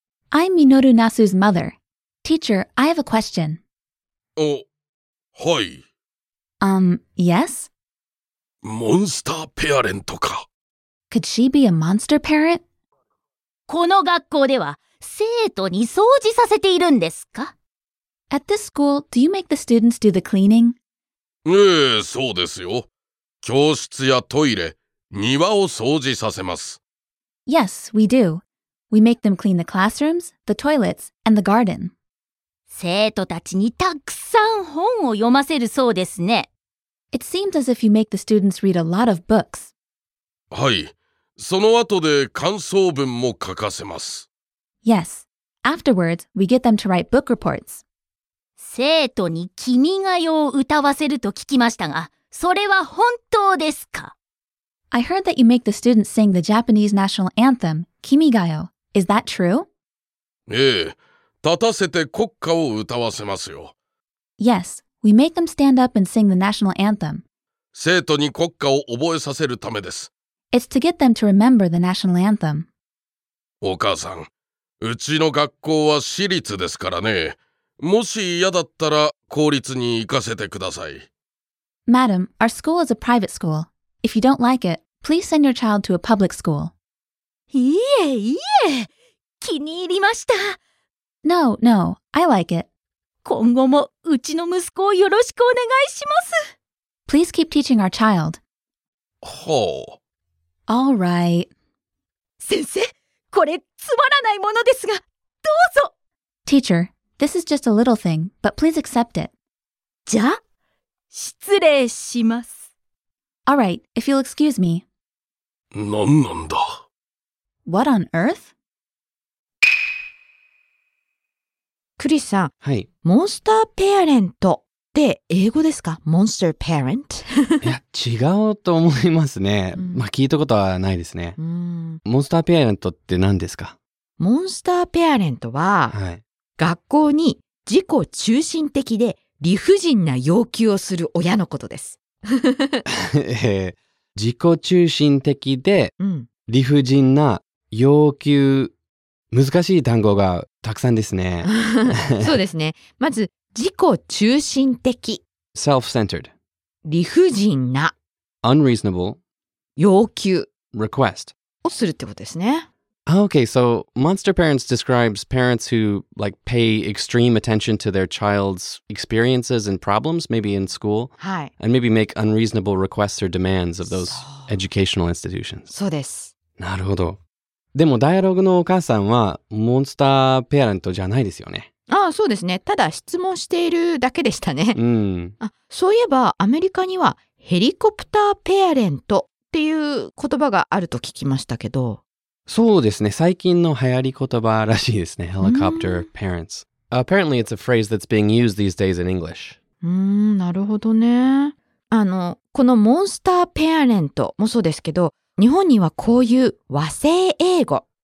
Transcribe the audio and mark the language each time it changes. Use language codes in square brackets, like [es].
[en] I'm Minoru Nasu's mother. Teacher, I have a question. [ja] お、はい。 [en] Yes? [ja] モンスターペアレントか。 [en] Could she be a monster parent? [ja] この学校では生徒に掃除させているんですか？ [en] At this school, do you make the students do the cleaning? [ja] ええ、そうですよ。教室やトイレ、庭を掃除させます。 [en] Yes, we do. We make them clean the classrooms, the toilets, and the garden. [ja] 生徒たちにたくさん本を読ませるそうですね。 [en] It seems as if you make the students read a lot of books. [ja] はい。その後で感想文も書かせます。 [en] Yes. Afterwards, we get them to write book reports. [ja] 生徒に君が代を歌わせると聞きましたが、それは本当ですか？ [en] I heard that you make the students sing the Japanese national anthem, Kimi ga yo. Is that true? [ja] ええ。立たせて国歌を歌わせますよ。 [en] Yes. We make them stand up and sing the national anthem. [ja] 生徒に国歌を覚えさせるためです。 [en] It's to get them to remember the national anthem. [ja] お母さん。うちの学校は私立ですからね。もし嫌だったら公立に行かせてください。 [en] Madam, our school is a private school. If you don't like it, please send your child to a public school. [ja] いえいえ、気に入りました。 [en] No, no, I like it. [ja] 今後もうちの息子をよろしくお願いします。 [en] Please keep teaching our child. [ja] はあ。 [en] All right. [ja] 先生、これつまらないものですが、どうぞ。 [en] Teacher, This is just a little thing, but please accept it. [ja] じゃ、失礼します。 [en] All right, if you'll excuse me. [ja] なんなんだ? [en] What on earth? [ja] クリスさん、はい、モンスターペアレントって英語ですか? [en] Monster parent? [ja] いや、違うと思いますね。まあ、聞いたことはないですね。モンスターペアレントって何ですか? モンスターペアレントは、はい、学校に自己中心的で理不尽な要求をする親のことです。自己中心的で理不尽な要求、難しい単語がたくさんですね。そうですね。まず、自己中心的。 [en] Self-centered. [ja] 理不尽な。 [en] Unreasonable. [ja] 要求。 [en] Request. [ja] をするってことですね。 [en] Okay, so Monster Parents describes parents who like pay extreme attention to their child's experiences and problems, maybe in school, and maybe make unreasonable requests or demands of those educational institutions. [ja] そうです。なるほど。でもダイアログのお母さんはモンスターペアレントじゃないですよね。ああ、そうですね。ただ質問しているだけでしたね。うん。あ、そういえばアメリカにはヘリコプターペアレントっていう言葉があると聞きましたけど、そうですね。最近の流行り言葉らしいですね。 [en] Helicopter parents. Apparently, it's a phrase that's being used these days in English. [ja] なるほどね。あの、このモンスターペアレントもそうですけど、日本にはこういう和製英語、